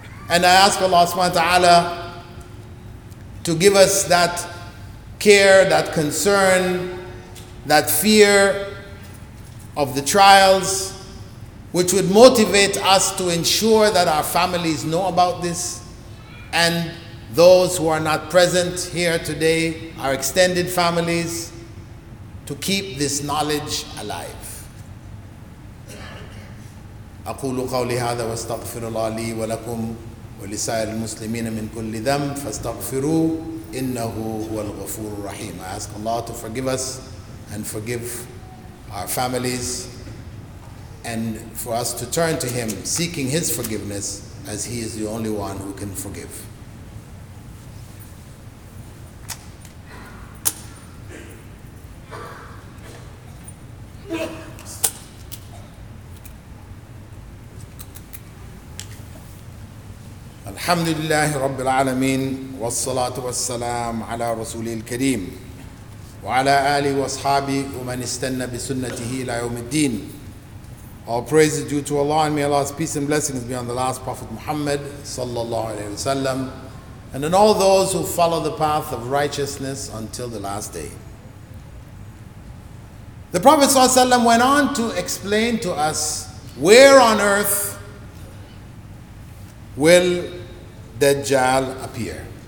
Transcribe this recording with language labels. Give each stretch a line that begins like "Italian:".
English: And I ask Allah subhanahu wa ta'ala to give us that care, that concern, that fear of the trials, which would motivate us to ensure that our families know about this, and those who are not present here today, our extended families, to keep this knowledge alive.
Arabic: أقول قولي هذا واستغفر الله لي ولكم ولسائر المسلمين من كل ذنب فاستغفروه إنه هو الغفور الرحيم.
English: I ask Allah to forgive us and forgive our families and for us to turn to Him seeking His forgiveness, as He is the only one who can forgive.
Arabic: الحمد لله رب العالمين والصلاة والسلام على رسوله الكريم وعلى آله وأصحابه ومن استنى بسنته إلى يوم الدين.
English: All praise is due to Allah, and may Allah's peace and blessings be on the last Prophet Muhammad sallallahu alaihi wasallam and on all those who follow the path of righteousness until the last day. The Prophet sallallahu alaihi wasallam went on to explain to us where on earth will Dajjal appear.